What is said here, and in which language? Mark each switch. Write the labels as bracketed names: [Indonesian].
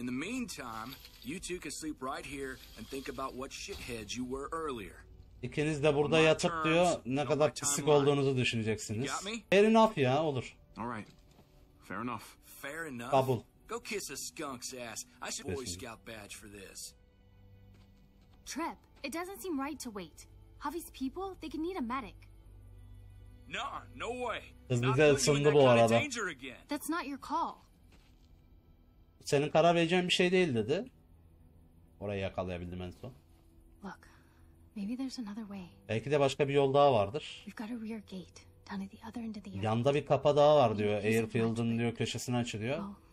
[English] In the meantime, you two can sleep right here and think about what shitheads you were earlier. [Turkish] İkiniz de burada yatıp diyor, ne kadar pislik olduğunuzu düşüneceksiniz. [English] Fair enough [Turkish] ya, olur. [English] Alright. Fair enough. Fair enough. [Turkish] Kabul. [English] Go kiss a skunk's ass. I should Boy Scout badge for this. Trip. It doesn't seem right to wait. Javi's people, they can need a medic. Nah, no way. [Turkish] Kız bize ısındı bu arada. [English] That's not your call. [Turkish] Senin karar vereceğin bir şey değil dedi. Orayı yakalayabildim en son. [English] Look, maybe there's another way. [Turkish] Belki de başka bir yol daha vardır. [English] We've got a rear gate down at the other end of the airfield. [Turkish] Yanda bir kapa daha var diyor. Airfield'ın diyor köşesini açılıyor.